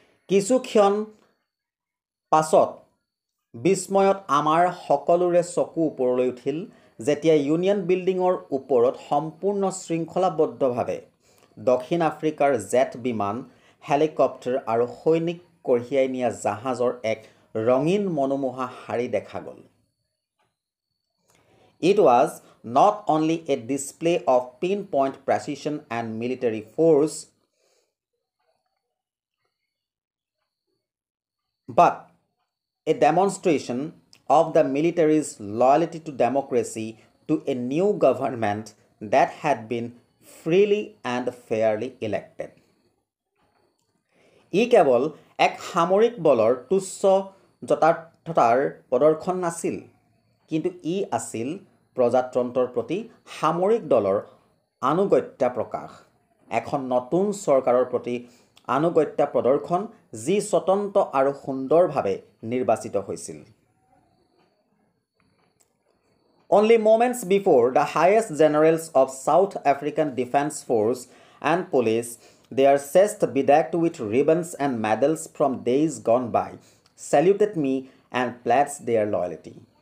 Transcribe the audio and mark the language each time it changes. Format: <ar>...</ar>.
<as>কিছু ক্ষণ পাছত বিস্ময়ত আমাৰ সকলোৰে চকু ওপৰলৈ উঠিল যেতিয়া ইউনিয়ন বিল্ডিঙৰ ওপৰত সম্পূৰ্ণ শৃংখলাবদ্ধভাৱে দক্ষিণ আফ্ৰিকাৰ জেট বিমান, হেলিকপ্টাৰ আৰু সৈনিক কঢ়িয়াই নিয়া জাহাজৰ এক ৰঙীন মনোমোহা শাৰী দেখা গ'ল।</as> <en>It was not only a display of pinpoint precision and military force but a demonstration of the military's loyalty to democracy, to a new government that had been freely and fairly elected.</en> <as>ই কেৱল এক সামৰিক বলৰ তুচ্ছ যথাৰ্থতাৰ প্ৰদৰ্শন নাছিল, কিন্তু ই আছিল প্ৰজাতন্ত্ৰৰ প্ৰতি সামৰিক দলৰ আনুগত্যা প্ৰকাশ, এখন নতুন চৰকাৰৰ প্ৰতি আনুগত্যা প্ৰদৰ্শন যি স্বতন্ত্ৰ আৰু সুন্দৰভাৱে নিৰ্বাচিত হৈছিল।</as> <en>Only moments before, the highest generals of South African Defense Force and Police, their chest bedecked with ribbons and medals from days gone by, saluted me and pledged their loyalty.</en>